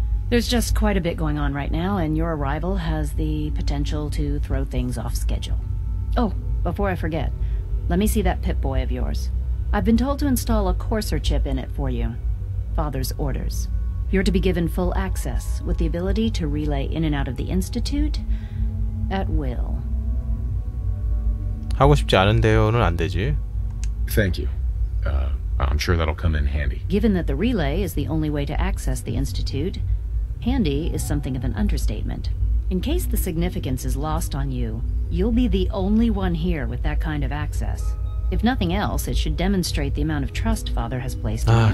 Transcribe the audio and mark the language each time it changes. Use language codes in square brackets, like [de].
[en] There's just quite a bit going on right now, and your arrival has the potential to throw things off schedule. Oh, before I forget, let me see that pit boy of yours. I've been told to install a coarser chip in it for you. Father's orders. You're to be given full access, with the ability to relay in and out of the Institute at will. [ko] 하고 싶지 않은데요는 안 되지. [en] Thank you. I'm sure that'll come in handy. Given that the relay is the only way to access the Institute, handy is something of an understatement. In case the significance is lost on you, you'll be the only one here with that kind of access. If nothing else, it should demonstrate the amount of trust Father has placed in you.